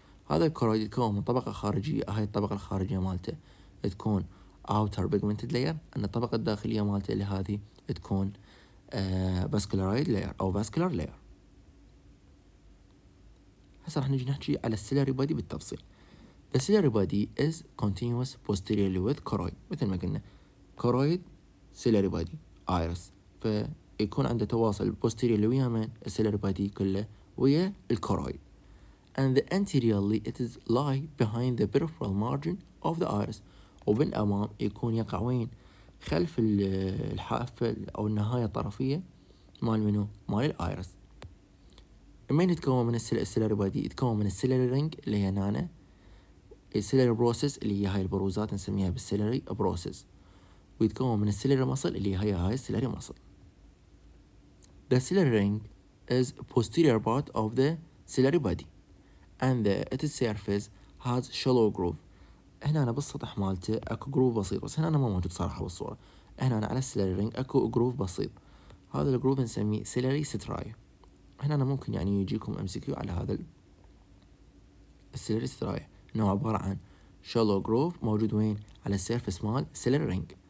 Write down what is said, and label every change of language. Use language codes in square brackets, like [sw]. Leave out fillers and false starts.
[ar] هذا الكورويد يتكون من طبقة خارجية، هاي الطبقة الخارجية مالته تكون outer pigmented layer، ان الطبقة الداخلية مالته لهذه تكون [en] vascularized layer أو vascular layer. [ar] هسا رح نجي نحكي على السيلاري بادي بالتفصيل. [en] The ciliary body is continuous posteriorly with choroid. مثل ما قلنا choroid ciliary body iris. [ar] فيكون عنده تواصل posteriorly ويا من ciliary body كله ويا الكورويد. [en] And the anteriorly it is lie behind the peripheral margin of the iris. [ar] وبالأمام يكون يقع وين خلف الحافة أو النهاية الطرفية مال منو مال الايرس. من يتكون من السيلاري بادي؟ يتكون من السيلاري رينج اللي هي نانا، السيلاري بروسس اللي هي هاي البروزات نسميها بالسيلاري بروسس، ويتكون من السيلاري مصل اللي هي هاي السيلاري مصل. [en] The ciliary ring is posterior part of the ciliary body and the its surface has shallow groove. [ar] هنا أنا بالسطح مالته اكو جروف بسيط، بس هنا أنا ما موجود صراحه بالصوره. هنا أنا على السيلاري رينج اكو جروف بسيط، هذا الجروف نسميه سيلاري ستراي. هنا أنا ممكن يعني يجيكم MCQ على هذا السيلاري ستراي، إنه عبارة عن شالو جروف موجود وين على السيرفس مال سيلاري رينج.